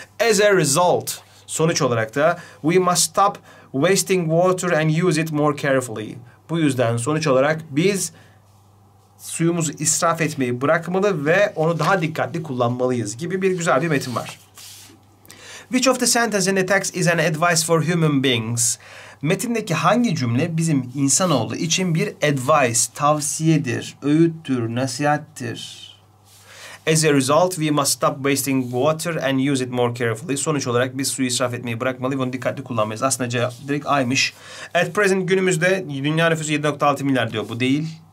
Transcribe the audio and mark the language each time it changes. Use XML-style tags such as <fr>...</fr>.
<en>As a result,</en> <tr>sonuç olarak da</tr> <en>we must stop wasting water and use it more carefully.</en> <tr>Bu yüzden sonuç olarak biz suyumuzu israf etmeyi bırakmalı ve onu daha dikkatli kullanmalıyız gibi bir güzel bir metin var.</tr> <en>Which of the sentences in the text is an advice for human beings?</en> <tr>Metindeki hangi cümle bizim insanoğlu için bir advice, tavsiyedir, öğüttür, nasihattir?</tr> <en>As a result, we must stop wasting water and use it more carefully.</en> <tr>Sonuç olarak biz suyu israf etmeyi bırakmalı ve onu dikkatli kullanmalıyız. Aslında cevap direkt aymış.</tr> <en>At present,</en> <tr>günümüzde dünya nüfusu 7.6 milyar diyor. Bu değil.</tr>